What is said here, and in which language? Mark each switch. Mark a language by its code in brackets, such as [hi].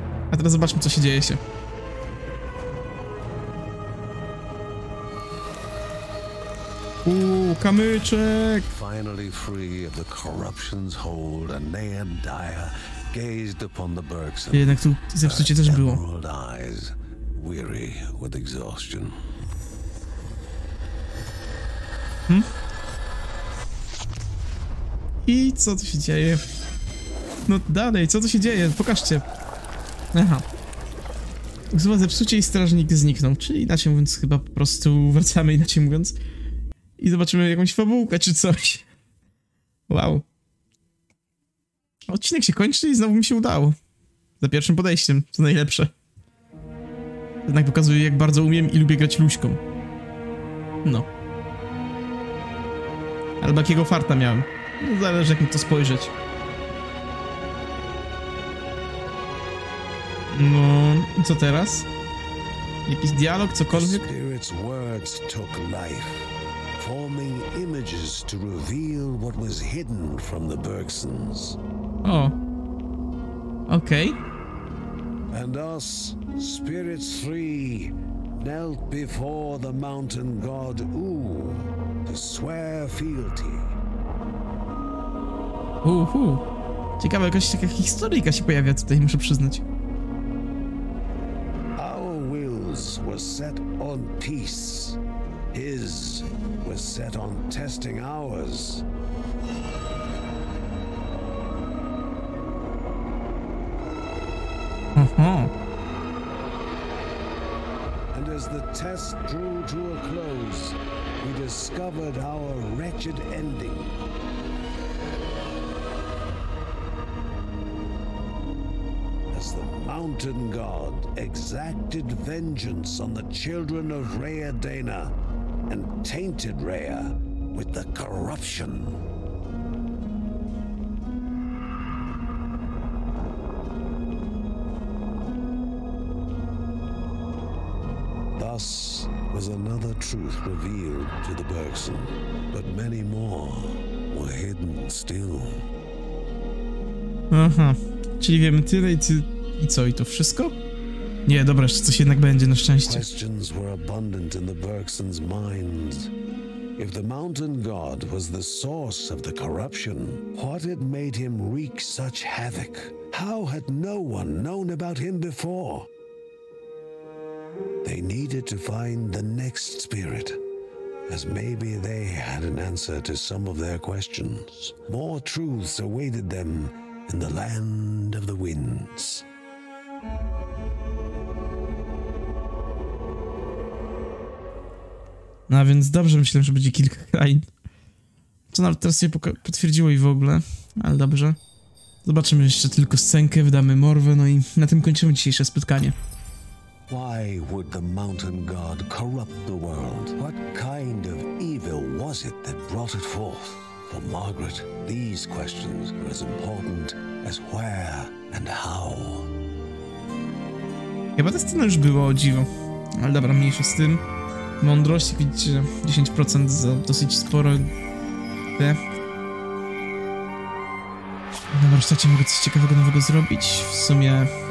[pl] A teraz zobaczmy, co się dzieje się. Kamyczek! [en] Finally free of the corruption's hold, Anea and Dyer gazed upon the Bergson. [pl] Jednak tu zepsucie też było. [en] Emerald eyes, weary with exhaustion. [pl] I co tu się dzieje? No dalej, co tu się dzieje? Pokażcie. Aha. Zobacz, zepsucie i strażnik zniknął. Czyli inaczej mówiąc, chyba po prostu wracamy inaczej mówiąc. I zobaczymy jakąś fabułkę czy coś. Wow. Odcinek się kończy i znowu mi się udało. Za pierwszym podejściem, co najlepsze. Jednak pokazuje, jak bardzo umiem i lubię grać luźką. No. Albo jakiego farta miałem. No, zależy, jak mi to spojrzeć. No, co teraz? Jakiś dialog, cokolwiek? [en] Spirit's words took life. Forming images to reveal what was hidden from the Bergsons. Oh. Okay. And us, spirits free, knelt before the mountain god Ooh to swear fealty. Uhu. [pl] Ciekawe, jakaś taka historyjka się pojawia tutaj, muszę przyznać. [en] Our wills were set on peace. His was set on testing ours. Uh-huh. And as the test drew to a close, we discovered our wretched ending. As the mountain god exacted vengeance on the children of Rhea Dana, and tainted Rhea with the corruption. Thus was another truth revealed to the Bergson, but many more were hidden still. [pl] Aha, czyli wiemy tyle i, co i to wszystko? Nie, dobra, jeszcze coś jednak będzie, na szczęście. [en] Questions were abundant in the Bergson's mind. If the mountain god was the source of the corruption, what had made him wreak such havoc? How had no one known about him before? They needed to find the next spirit, as maybe they had an answer to some of their questions. More truths awaited them in the land of the winds. [pl] No a więc dobrze, myślę, że będzie kilka krain. Co nawet teraz się potwierdziło i w ogóle, ale dobrze. Zobaczymy jeszcze tylko scenkę, wydamy morwę, no i na tym kończymy dzisiejsze spotkanie. [en] Why would the mountain god corrupt the world? What kind of evil was it that brought it forth? For Margaret, these questions were as important as where and how. [pl] Chyba ta scena już była, o dziwo. Ale dobra, mniejsza z tym. Mądrość, jak widzicie, 10% za dosyć sporo. Na warsztacie mogę coś ciekawego nowego zrobić. W sumie...